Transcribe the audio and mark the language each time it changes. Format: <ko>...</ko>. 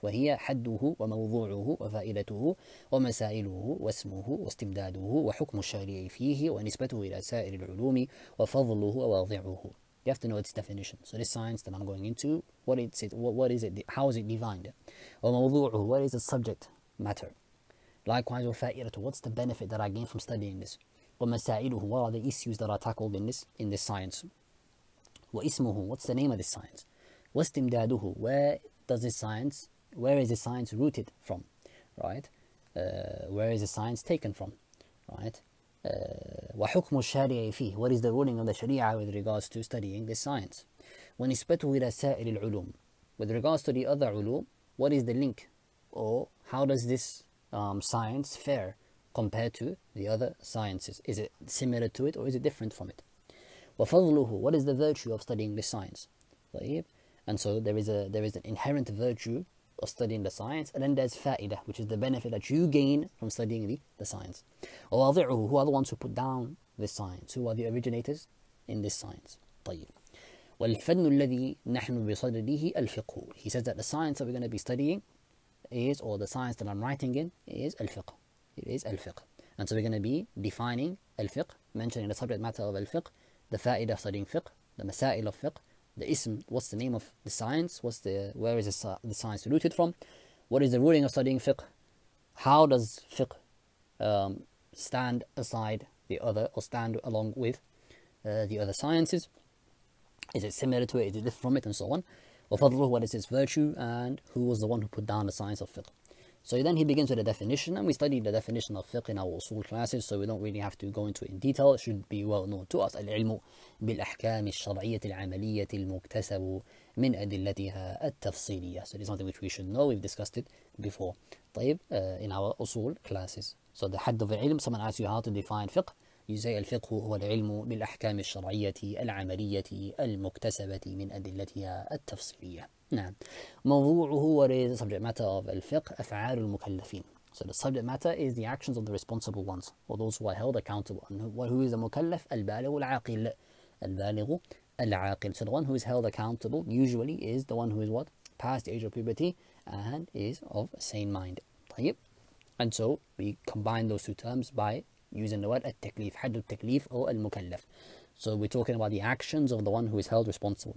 <ar>وهي حده وموضوعه وفائدته ومسائله واسمه واستمداده وحكم الشارع فيه ونسبته إلى سائر العلوم وفضله وواضعه.</ar> <en>You have to know its definition. So this science that I'm going into, what is it? How is it defined? وموضوعه, what is the subject matter? Likewise, وفائدته, what's the benefit that I gain from studying this? ومسائله, what are the issues that are tackled in this science? وإسمه, what's the name of this science? واستمداده, where is this science rooted from, right? Where is the science taken from, right?</en> <ar>وحكم الشارع فيه,</ar> <en>what is the ruling of the Sharia with regards to studying this science?</en> <ar>ونسبته إلى سائر العلوم,</ar> <en>with regards to the other علوم, what is the link, or how does this science fare compared to the other sciences? Is it similar to it or is it different from it? وفضله, what is the virtue of studying this science? And so there is an inherent virtue of studying the science, and then there's فائدة, which is the benefit that you gain from studying the science. وواضعه, who are the ones who put down this science? Who are the originators in this science? طيب.</en> <ar>والفن الذي نحن بصدده الفقه.</ar> <en>He says that the science that we're going to be studying is, or the science that I'm writing in, is الفقه. It is al-fiqh. And so we're going to be defining al-fiqh, mentioning the subject matter of al-fiqh, the fa'id of studying fiqh, the masail of fiqh, the ism, what's the name of the science, where is the science rooted from, what is the ruling of studying fiqh, how does fiqh stand aside the other, or stand along with the other sciences, is it similar to it, is it different from it, and so on. وفضله, what is its virtue, and who was the one who put down the science of fiqh. So then he begins with a definition, and we studied the definition of fiqh in our usul classes, so we don't really have to go into it in detail. It should be well known to us.</en> <ar>العلم بالأحكام الشرعية العملية المكتسب من أدلتها التفصيلية.</ar> <en>So it's something which we should know. We've discussed it before. طيب, in our usul classes. So the حد of العلم, someone asks you how to define fiqh. You say</en> <ar>الفقه هو العلم بالأحكام الشرعية العملية المكتسبة من أدلتها التفصيلية.</ar> <en>نعم. موضوعه, what is the subject matter of الفقه,</en> <ar>أفعال المكلفين.</ar> <en>So the subject matter is the actions of the responsible ones, or those who are held accountable. And who is the مكلف,</en> <ar>البالغ العاقل. البالغ العاقل.</ar> <en>So the one who is held accountable usually is the one who is what? Past the age of puberty and is of sane mind. طيب. And so we combine those two terms by using the word التكليف,</en> <ar>حد التكليف أو المكلف.</ar> <en>So we're talking about the actions of the one who is held responsible.</en>